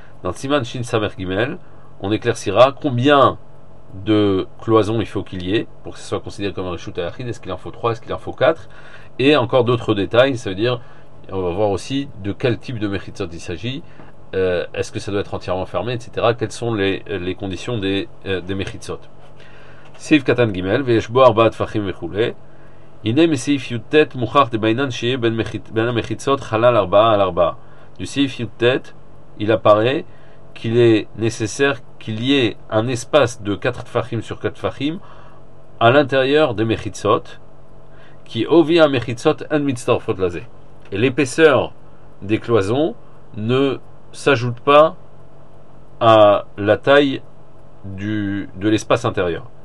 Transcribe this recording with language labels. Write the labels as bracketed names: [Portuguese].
[French] Dans Siman Shin Samer Gimel, on éclaircira combien de cloisons il faut qu'il y ait pour que ce soit considéré comme un Reshut Ayachid, est-ce qu'il en faut 3, est-ce qu'il en faut 4, et encore d'autres détails, ça veut dire, on va voir aussi de quel type de Mechitzot il s'agit, est-ce que ça doit être entièrement fermé, etc., quelles sont les conditions des Mechitzot. [Hebrew] סעיף קטן ג' ויש בו ארבעה תפחים וכו'. הנה מסעיף י' מוכח דבעינן שיהיה בין המחיצות חלל ארבעה על ארבעה. לסעיף י' [French] il apparaît qu'il est nécessaire qu'il y ait un espace de 4 תפחים sur 4 תפחים à l'intérieur des מחיצות qui ovient à מחיצות un [Hebrew] מצטרפות לזה. [French] Et l'épaisseur des cloisons ne s'ajoute pas à la taille de l'espace intérieur.